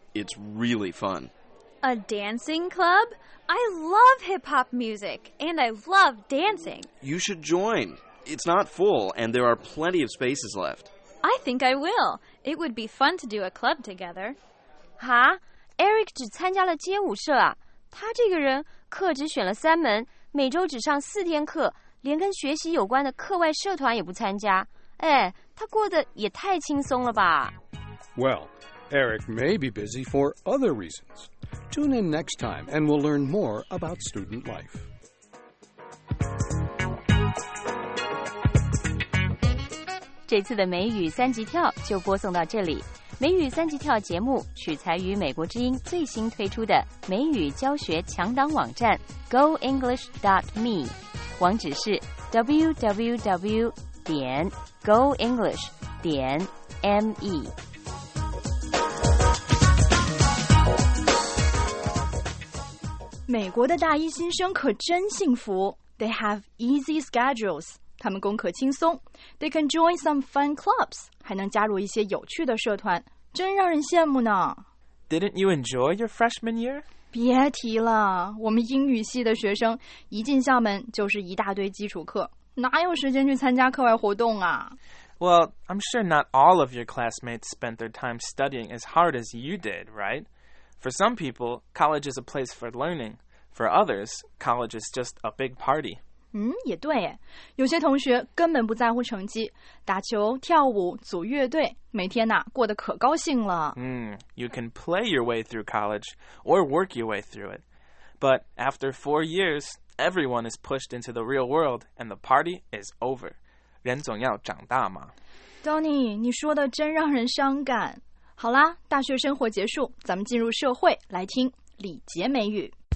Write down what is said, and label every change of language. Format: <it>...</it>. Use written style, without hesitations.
<en>It's really fun. A dancing club? I love hip-hop music, and I love dancing. You should join. It's not full, and there are plenty of spaces left. I think I will. It would be fun to do a club together.</en> <zh>哈?Eric 只参加了街舞社啊。他这个人课只选了三门，每周只上四天课，连跟学习有关的课外社团也不参加。哎，他过得也太轻松了吧。</zh> <en>Well, Eric may be busy for other reasons. Tune in next time and we'll learn more about student life. This time's</en> <zh>美语三级跳就播送到这里。美语三级跳节目取材于美国之音最新推出的美语教学强档网站 goenglish.me， 网址是 www.goenglish.me。美国的大一新生可真幸福。</zh> <en>They have easy schedules.</en> <zh>他们功课轻松。</zh> <en>They can join some fun clubs.</en> <zh>还能加入一些有趣的社团。真让人羡慕呢。</zh> <en>Didn't you enjoy your freshman year?</en> <zh>别提了，我们英语系的学生一进校门就是一大堆基础课。哪有时间去参加课外活动啊？</zh> <en>Well, I'm sure not all of your classmates spent their time studying as hard as you did, right? For some people, college is a place for learning. For others, college is just a big party.</en> <zh>也对耶。有些同学根本不在乎成绩，打球、跳舞、组乐队，每天呐，过得可高兴了。</zh> <en>You can play your way through college or work your way through it. But after 4 years, everyone is pushed into the real world and the party is over.</en> <zh>人总要长大嘛。 Donny, 你说的真让人伤感。好啦，大学生活结束，咱们进入社会，来听李杰美语。</zh>